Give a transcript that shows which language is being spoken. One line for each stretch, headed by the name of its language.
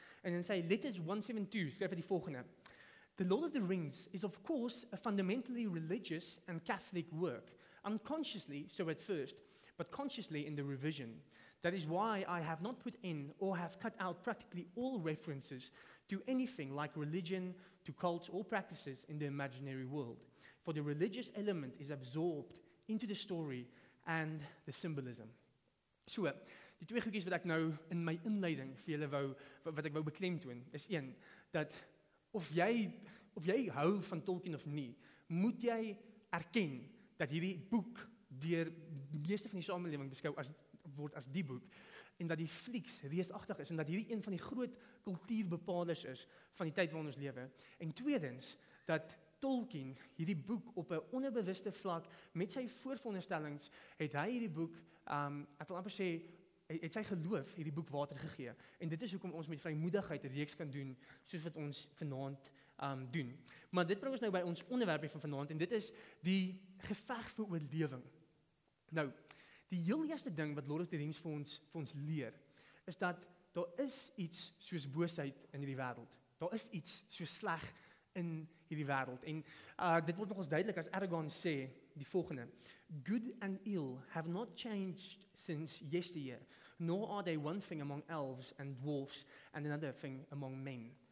Afrikaans: En in sy Letters 172 skryf hy die volgende.
English: The Lord of the Rings is of course a fundamentally religious and Catholic work, unconsciously so at first, but consciously in the revision. That is why I have not put in or have cut out practically all references to anything like religion, to cults or practices in the imaginary world. For the religious element is absorbed into the story and the symbolism. So,
Afrikaans: Die twee goedjies wat ek nou in my inleiding vir julle wou, wat ek wou beklemtoon, is een, dat of jy hou van Tolkien of nie, moet jy erken dat hierdie boek deur die meeste van die samelewing beskou as word as die boek, en dat die flieks reusagtig is, en dat hierdie een van die groot kultuurbepalers is van die tyd waarin ons lewe. En tweedens, dat Tolkien hierdie boek op 'n onderbewuste vlak, met sy voorveronderstellings, het hy hierdie boek, ek wil amper sê, het sy geloof hierdie boek water gegee. En dit is hoekom ons met vrymoedigheid die reeks kan doen, soos wat ons vanaand doen. Maar dit bring ons nou by ons onderwerpie van vanaand, en dit is die geveg vir oorlewing. Nou, die heel eerste ding wat Lord of the Rings vir ons leer, is dat daar is iets soos boosheid in hierdie wêreld. Daar is iets soos sleg in hierdie wêreld. En dit word nogals duidelik as Aragorn sê die volgende:
English: "Good and ill have not changed since yesteryear, nor are they one thing among elves and dwarfs and another thing among men."